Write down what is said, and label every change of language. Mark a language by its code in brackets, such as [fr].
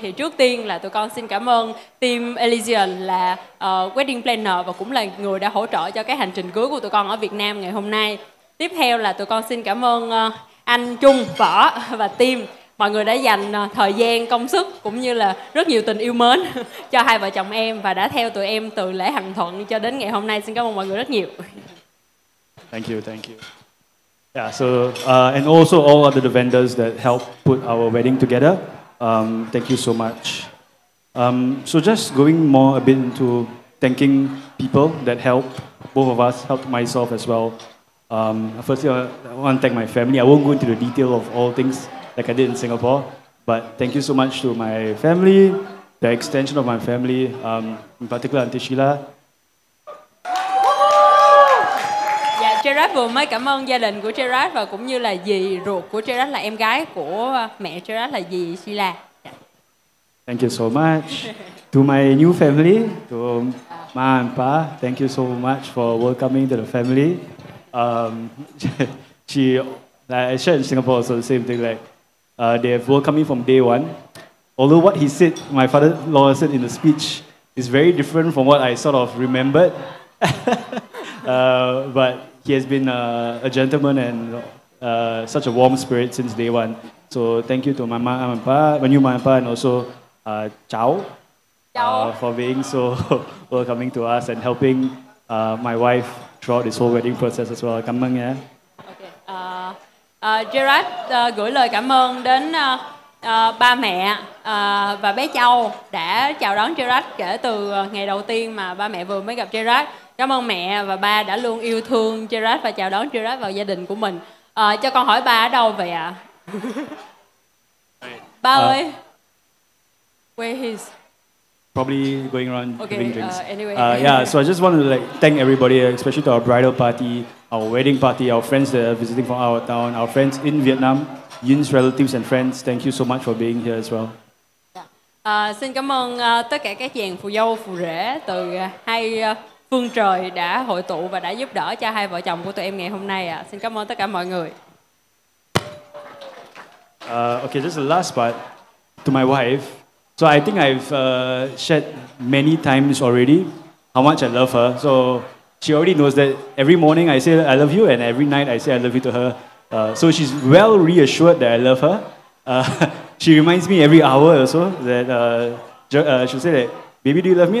[vi] Thì trước tiên là tụi con xin cảm ơn team Elysian là wedding planner và cũng là người đã hỗ trợ cho cái hành trình cưới của tụi con ở Việt Nam ngày hôm nay. Tiếp theo là tụi con xin cảm ơn anh Trung, Võ và team, mọi người đã dành thời gian, công sức cũng như là rất nhiều tình yêu mến cho hai vợ chồng em và đã theo tụi em từ lễ hành thuận cho đến ngày hôm nay. Xin cảm ơn mọi người rất nhiều. [en] Thank you, thank you. Yeah, so, and also all other vendors that helped put our wedding together. Thank you so much. So just going more a bit into thanking people that helped, both of us, helped myself as well. Firstly, I want to thank my family. I won't go into the detail of all things like I did in Singapore, but thank you so much to my family, the extension of my family, in particular Auntie Sheila. [vi] Gerard vừa mới cảm ơn gia đình của Gerard và cũng như là dì ruột của Gerard là em gái của mẹ Gerard là dì Sheila. [en] Thank you so much. To my new family, to ma and pa, thank you so much for welcoming to the family. She, like I shared in Singapore, so the same thing, like they have welcomed me from day one. Although what he said, my father-in-law said in the speech, is very different from what I sort of remembered. but he has been a gentleman and such a warm spirit since day one. So thank you to my mom and pa, my new mom and pa, and also Chow for being so welcoming to us and helping my wife throughout this whole wedding process as well. [vi] Cảm ơn nha. [en] Okay. [vi] Gerard gửi lời cảm ơn đến ba mẹ và bé Châu đã chào đón Gerard kể từ ngày đầu tiên mà ba mẹ vừa mới gặp Gerard. Cảm ơn mẹ và ba đã luôn yêu thương Gerard và chào đón Gerard vào gia đình của mình. Cho con hỏi ba ở đâu vậy ạ? Ba ơi. [en] Where he's probably going around giving drinks. Anyway. So I just wanted to like thank everybody, especially to our bridal party, our wedding party, our friends that are visiting from our town, our friends in Vietnam, Yin's relatives and friends. Thank you so much for being here as well. [vi] Xin cảm ơn tất cả các chàng phù dâu phù rể từ hai phương trời đã hội tụ và đã giúp đỡ cho hai vợ chồng của tụi em ngày hôm nay. Xin cảm ơn tất cả mọi người. [en] Okay, this is the last part to my wife. So I think I've shared many times already how much I love her. So she already knows that every morning I say I love you and every night I say I love you to her. So she's well reassured that I love her. She reminds me every hour also that she'll say that, baby, do you love me?